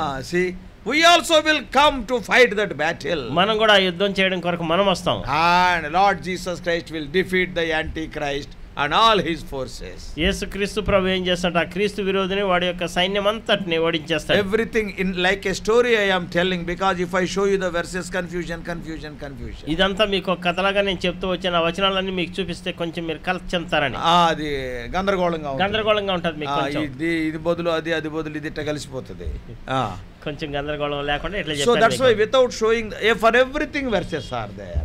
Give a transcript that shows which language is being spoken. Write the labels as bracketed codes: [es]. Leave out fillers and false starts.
[en] See, we also will come to fight that battle, [te] manam kuda yuddham cheyadam koraku manam vastam. [en] And Lord Jesus Christ will defeat the Antichrist and all his forces. [te] యేసు క్రీస్తు ప్రభు ఏం చేస్తాడంటే ఆ క్రీస్తు విరోధిని వాడి యొక్క సైన్యమంతటిని ఓడించేస్తాడు. [en] Everything in like a story I am telling, because if I show you the verses, confusion. [te] ఇదంతా మీకు కథలాగా నేను చెప్తూ వచ్చిన వచనాలన్నీ మీకు చూపిస్తే కొంచెం మీరు కలచంతారని. అది గందరగోళంగా ఉంటుంది మీకు. ఇది ఇది బదులు అది అది బదులు ఇది ఇట్లా కలిసిపోతుంది. కొంచెం గందరగోళం లేకుండా ఇట్లా చెప్తాను. [en] So that's why without showing for everything versus are there.